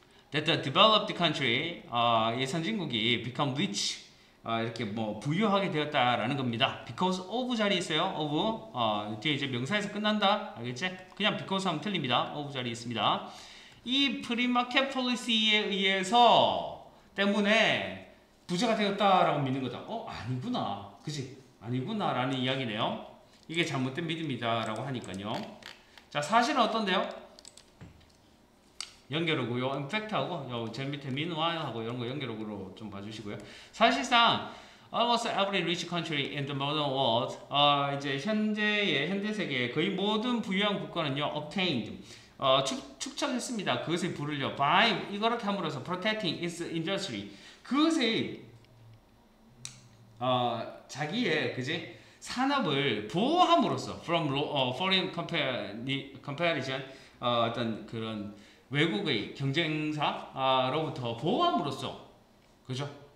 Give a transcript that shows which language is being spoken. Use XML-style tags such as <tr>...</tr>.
<en>that the developed country</en> <ko>이 선진국이</ko> <en>become rich</en> <ko>이렇게 뭐 부유하게 되었다라는 겁니다</ko> <en>because of</en> <ko>자리 있어요 of 뒤에 이제 명사에서 끝난다 알겠지 그냥 because 하면 틀립니다 of 자리 있습니다 이 프리 마켓 폴리시에 의해서 때문에 부자가 되었다라고 믿는 거죠. 아니구나. 그지? 아니구나. 라는 이야기네요. 이게 잘못된 믿음이다라고 하니까요. 자, 사실은 어떤데요? 연결하고요.</ko> <en>In fact</en> <ko>하고, 제 밑에 meanwhile 하고 이런 거 연결하고 좀 봐주시고요. 사실상,</ko> <en>Almost every rich country in the modern world.</en> <ko>이제 현재의 현대 세계의 거의 모든 부유한 국가는요 obtained. 축적했습니다. 그것의 부를요 by 이렇게 함으로써</ko> <en>protecting its industry.</en> <ko>그것의 자기의 그지 산업을 보호함으로써</ko> <en>from foreign comparison</en> <ko>어떤 그런 외국의 경쟁사로부터 보호함으로써 그죠?</ko>